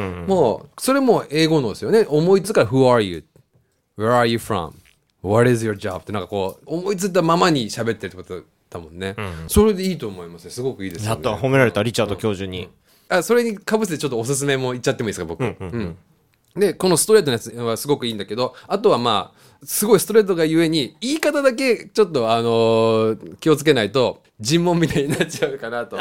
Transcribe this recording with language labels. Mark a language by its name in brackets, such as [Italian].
[Japanese] もうそれも英語のですよね、思いつくから [English] Who are you? Where are you fromWhat is your job? [Japanese] ってなんかこう思いついたままに喋ってるってことだもんね、うん、それでいいと思いますね、すごくいいですね、やっと褒められたリチャード教授に、うんうん、あ、それにかぶせてちょっとおすすめも言っちゃってもいいですか僕、うんうんうん、でこのストレートのやつはすごくいいんだけど、あとはまあすごいストレートがゆえに言い方だけちょっと気をつけないと尋問みたいになっちゃうかなと。